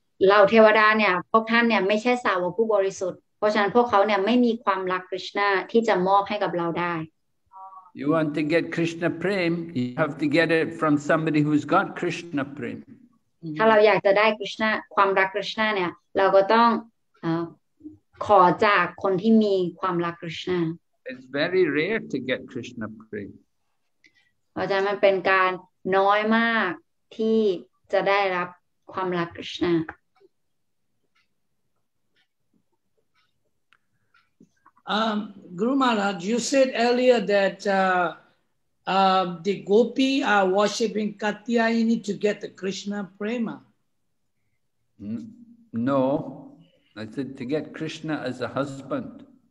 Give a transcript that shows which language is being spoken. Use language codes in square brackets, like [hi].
[th] เราเทวดาเนี่ยพวกท่านเนี่ยไม่ใช่สาวกผู้บริสุทธิ์เพราะฉะนั้นพวกเขาเนี่ยไม่มีความรักคริชนาที่จะมอบให้กับเราได้ [en] You want to get Krishna Prema, you have to get it from somebody who's got Krishna Prema. [th] ถ้าเราอยากจะได้คริชนาความรักคริชนาเนี่ยเราก็ต้องขอจากคนที่มีความรักคริชนา [en] It's very rare to get Krishna Prema. [th] เพราะฉะนั้นมันเป็นการน้อยมากที่จะได้รับความรักคริชนา [en] Guru Maharaj, you said earlier that the gopi are worshipping Katyayini to get the Krishna prema. No, I said to get Krishna as a husband.